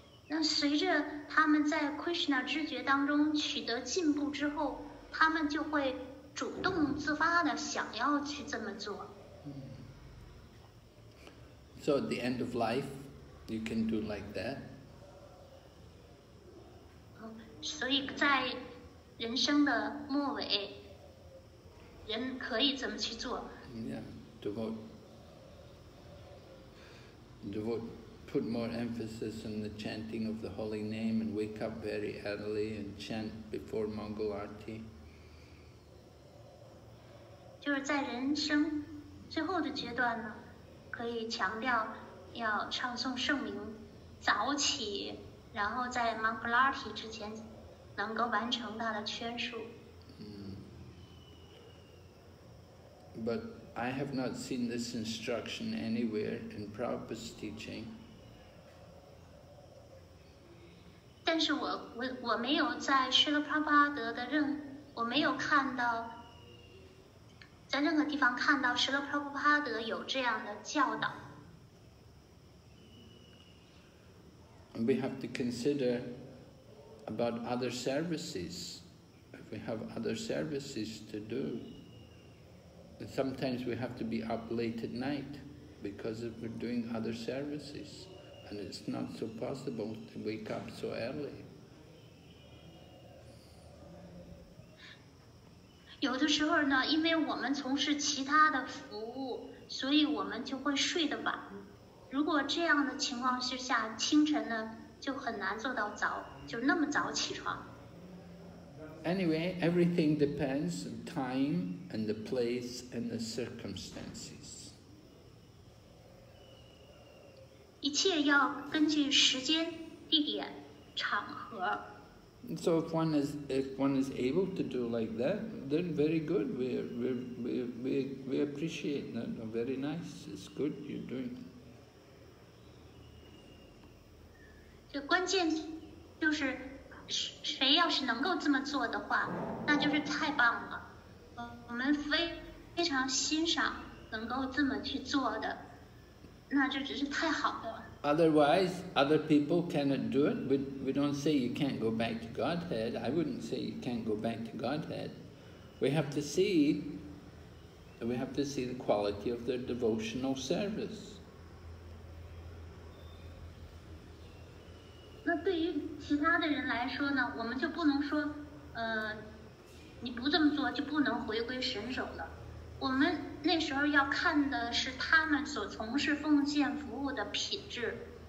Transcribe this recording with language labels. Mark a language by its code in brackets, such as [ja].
[zh] 那随着他们在 Krishna 知觉当中取得进步之后，他们就会主动自发的想要去这么做。 [en] So at the end of life, you can do like that. [zh] 所以在人生的末尾，人可以怎么去做？ [en] Yeah, devote put more emphasis on the chanting of the holy name and wake up very early and chant before Mangal Aarti. [zh] 就是在人生最后的阶段呢，可以强调要唱诵圣名，早起，然后在 Mangal Aarti 之前能够完成他的宣誓。 [en] But I have not seen this instruction anywhere in Prabhupada's teaching. [zh] 但是我没有在释迦牟尼佛的我没有看到在任何地方看到释迦牟尼佛有这样的教导。 [en] And we have to consider about other services. If we have other services to do, and sometimes we have to be up late at night because we're doing other services, and it's not so possible to wake up so early. [zh] 有的时候呢，因为我们从事其他的服务，所以我们就会睡得晚。如果这样的情况之下，清晨呢就很难做到早，就那么早起床。 [en] Anyway, everything depends on time and the place and the circumstances. [zh] 一切要根据时间、地点、场合。 [en] So if one is able to do like that, then very good. We appreciate that. Very nice. It's good you're doing. [zh] 就关键就是谁要是能够这么做的话，那就是太棒了。我们非常欣赏能够这么去做的，那就只是太好了。 [en] Otherwise, other people cannot do it. We don't say you can't go back to Godhead. I wouldn't say you can't go back to Godhead. We have to see the quality of their devotional service. [zh] 那对于其他的人来说呢，我们就不能说，你不这么做就不能回归神手了。我们那时候要看的是他们所从事奉献服务的品质。